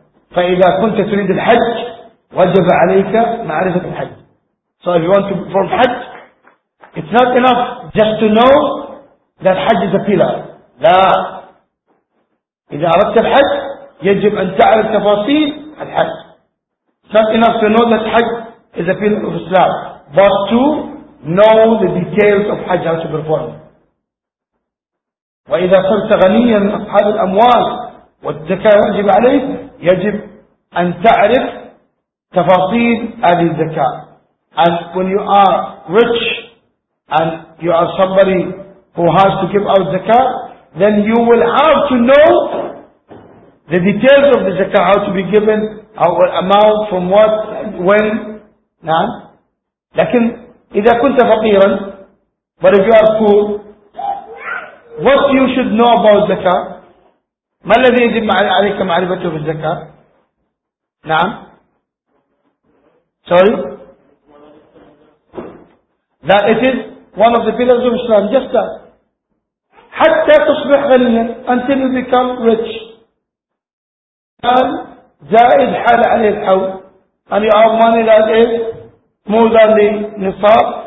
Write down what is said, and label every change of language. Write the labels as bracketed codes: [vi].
[ar] فإذا كنت تريد الحج وجب عليك معرفة الحج. [en] So if you want to perform Hajj, it's not enough just to know ذا الحج is a pillar. [ar] لا. إذا أردت الحج يجب أن تعرف تفاصيل الحج. [en] It's not enough to know that Hajj is a pillar of Islam, but to know the details of Hajj, how to perform. [ar] وإذا صرت غنيا من أصحاب الأموال والزكاة يجب عليك يجب أن تعرف تفاصيل هذه الزكاة. [en] And when you are rich and you are somebody who has to give out zakat, then you will have to know the details of the zakat, how to be given, how amount, from what, when. [ar] نعم. لكن إذا كنت فقيرا, [en] but if you are poor, what you should know about zakat? [ar] ما الذي يجب عليك معرفته في الزكات؟ نعم. [en] Sorry. That it is one of the pillars of Islam. Just that. [ar] حتى تصبح غنيا [en] until you become rich. [ar] And زائد حال عليه الحول. [en] And you have money that is more than the nisab.